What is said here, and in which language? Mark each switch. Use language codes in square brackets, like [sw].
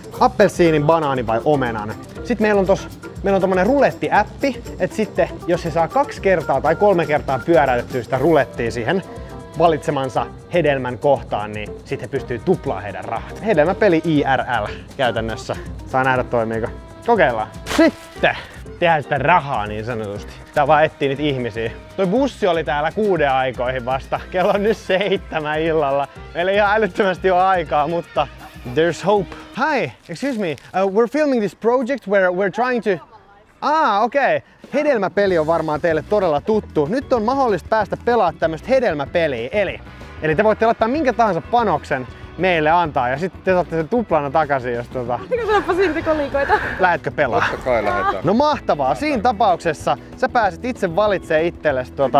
[fi] Appelsiinin, banaani vai omenan. Sitten meillä on tommonen ruletti-appi, että sitten jos se saa 2 tai 3 kertaa pyöräytettyä sitä rulettia siihen valitsemansa hedelmän kohtaan, niin sitten he pystyy tuplaamaan heidän rahat. Hedelmäpeli IRL käytännössä. Saa nähdä toimiiko. Kokeillaan. Sitten tehdään sitä rahaa niin sanotusti. Tää vaan etsii niitä ihmisiä. Toi bussi oli täällä 6 aikoihin vasta. Kello on nyt 7 illalla. Meillä ei ihan älyttömästi ole aikaa, mutta [en] there's hope. Hi, excuse me. We're filming this project where we're trying to... okei. Okay. [fi] Hedelmäpeli on varmaan teille todella tuttu. Nyt on mahdollista päästä pelaamaan tämmöstä hedelmäpeliä. Eli te voitte laittaa minkä tahansa panoksen meille antaa ja sitten te saatte sen tuplana takaisin, jos tota... Sanoppa silti kolikoita. Lähetkö pelaa? Totta kai lähetään. No mahtavaa. Siinä tapauksessa sä pääsit itse valitsee itsellesi tota...